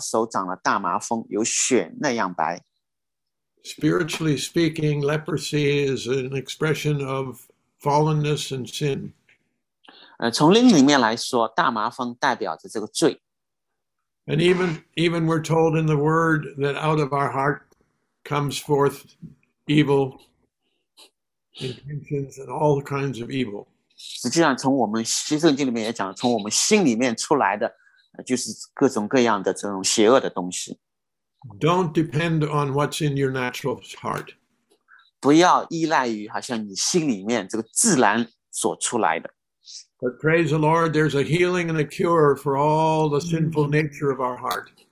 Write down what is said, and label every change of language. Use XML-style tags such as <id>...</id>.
<zh>耶和华又对他说：“把手放在杯里。”他就把手放在杯里，即使抽出来，不料手长了大麻风，有血那样白。</zh> <en>Spiritually speaking, leprosy is an expression of fallenness and sin.</en> <zh>从灵里面来说，大麻风代表着这个罪。</zh> <en>And even we're told in the word that out of our heart comes forth evil intentions and all kinds of evil.</en> <zh>实际上从我们心里面也讲，从我们心里面出来的，就是各种各样的这种邪恶的东西。</zh> <en>Don't depend on what's in your natural heart.</en> <zh>不要依赖于好像你心里面这个自然所出来的。</zh> <en>But praise the Lord, there's a healing and a cure for all the sinful nature of our heart.</en>